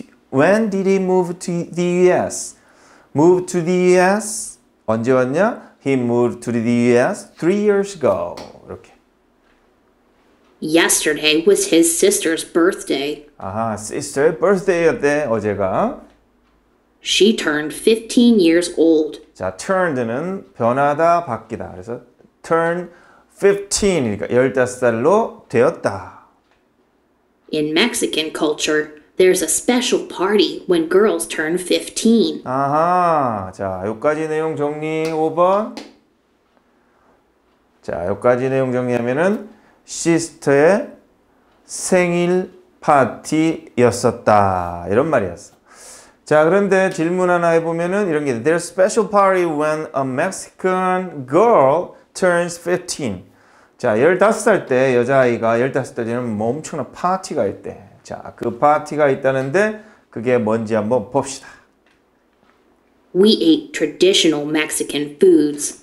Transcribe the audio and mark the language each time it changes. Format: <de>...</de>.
<en>When did he move to the US? Move to the US?</en> <ko>언제 왔냐?</ko> <en>He moved to the US 3 years ago.</en> <ko>이렇게.</ko> <en>Yesterday was his sister's birthday.</en> <ko>아하,</ko> <en>sister's birthday</en> <ko>였대. 어제가.</ko> <en>She turned 15 years old.</en> <ko>자, turned는 변하다, 바뀌다. 그래서 turn 15이니까 15살로 되었다.</ko> <en>In Mexican culture, there's a special party when girls turn 15.</en> <ko>아하, 자, 여기까지 내용 정리 5번. 자, 여기까지 내용 정리하면은 시스터의 생일 파티였었다. 이런 말이었어. 자, 그런데 질문 하나 해보면은 이런 게</ko> <en>There's a special party when a Mexican girl turns 15.</en> <ko>자, 15살 때 여자아이가 15살 되는 뭐 엄청난 파티가 있대. 자, 그 파티가 있다는데 그게 뭔지 한번 봅시다.</ko> <en>We ate traditional Mexican foods.</en>